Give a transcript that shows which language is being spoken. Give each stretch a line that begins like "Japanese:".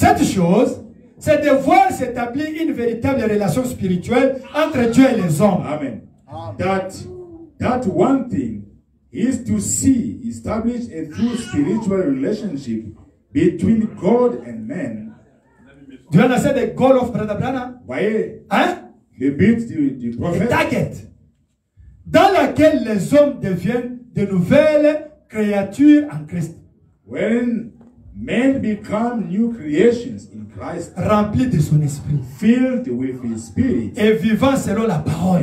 French: Cette chose, c'est de voir s'établir une véritable relation spirituelle entre Dieu et les hommes. Amen.
English: That one thing is to see, establish a true spiritual relationship between God and man. Do you understand the goal of Brother Branham? Why?
French: Hein?
English: He beats the prophet. The target.
French: Dans laquelle les hommes deviennent de nouvelles créatures en Christ.
English: When men become new creations in Christ,
French: rempli de son esprit,
English: filled with his spirit,
French: et vivant selon la parole,